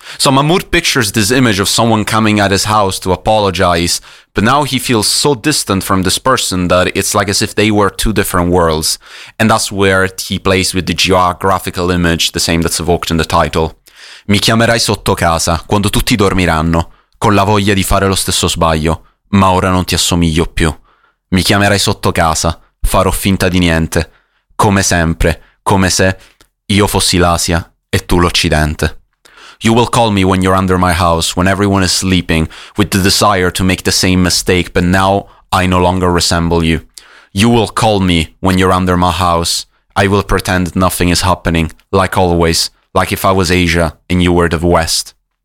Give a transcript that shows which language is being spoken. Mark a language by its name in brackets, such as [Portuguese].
[English] So Mahmood pictures this image of someone coming at his house to apologize, but now he feels so distant from this person that it's like as if they were two different worlds. And that's where he plays with the geographical image, the same that's evoked in the title. [Italian] Mi chiamerai sotto casa, quando tutti dormiranno, con la voglia di fare lo stesso sbaglio, ma ora non ti assomiglio più. Mi chiamerai sotto casa, farò finta di niente, come sempre, come se io fossi l'Asia e tu l'Occidente. [English] You will call me when you're under my house, when everyone is sleeping, with the desire to make the same mistake, but now I no longer resemble you. You will call me when you're under my house. I will pretend nothing is happening, like always, like if I was Asia and you were the West.